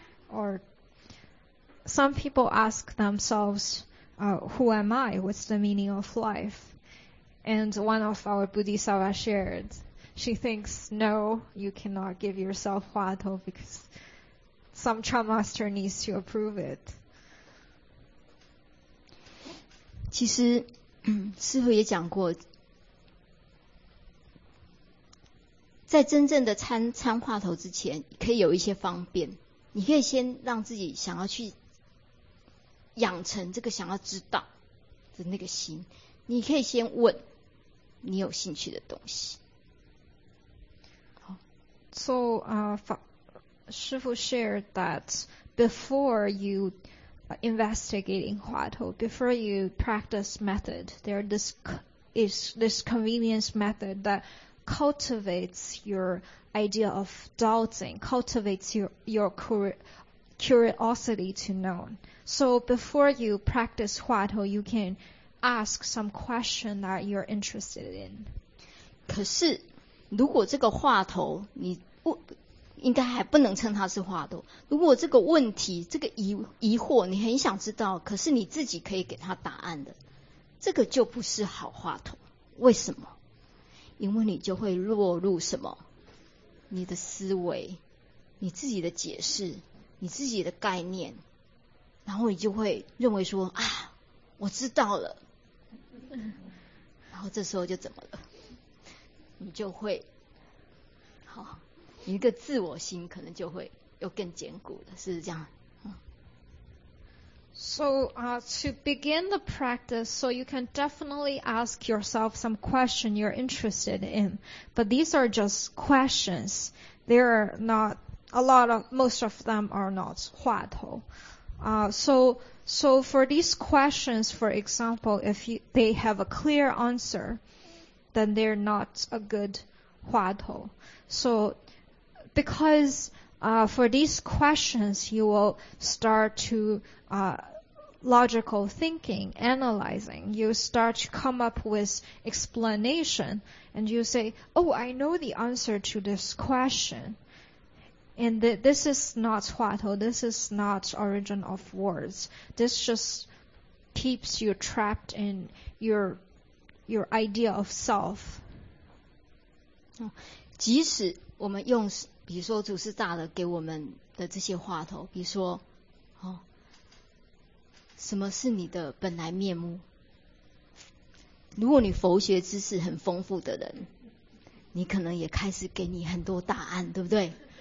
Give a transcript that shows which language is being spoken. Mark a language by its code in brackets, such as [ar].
[en] Or some people ask themselves,who am I? What's the meaning of life? And one of our Bodhisattva shared, she thinks, no, you cannot give yourself 话头 because some Chan Master needs to approve it. [zh] 其实师父也讲过，在真正的参话头之前，可以有一些方便，你可以先让自己想要去养成这个想要知道的那个心，你可以先问，你有兴趣的东西。 [en] So, Shifu shared that before you investigate in Huatou, before you practice method, there is this convenience method that cultivates your idea of doubting, cultivates your curiosity to know. So before you practice Huatou, you can ask some question that you're interested in. [zh] 可是如果这个话头你不应该还不能称它是话头，如果这个问题这个 疑惑你很想知道，可是你自己可以给它答案的，这个就不是好话头。为什么？因为你就会落入什么，你的思维，你自己的解释，你自己的概念，然后你就会认为说啊，我知道了，然后这时候就怎么了，你就会好，一个自我心可能就会又更坚固了，是不是这样？ [en] So, to begin the practice, so you can definitely ask yourself some question you're interested in, but these are just questions. There are not a lot of, most of them are not 话头. So for these questions, for example, if you, they have a clear answer, then they're not a good 话头. So, because, for these questions, you will start to, logical thinking, analyzing, you start to come up with explanation, and you say, oh, I know the answer to this question. And this is not 话头, this is not origin of words. This just keeps you trapped in your idea of self. [zh] 即使我们用比如说祖师大德给我们的这些话头，比如说什么是你的本来面目？如果你佛学知识很丰富的人，你可能也开始给你很多答案，对不对？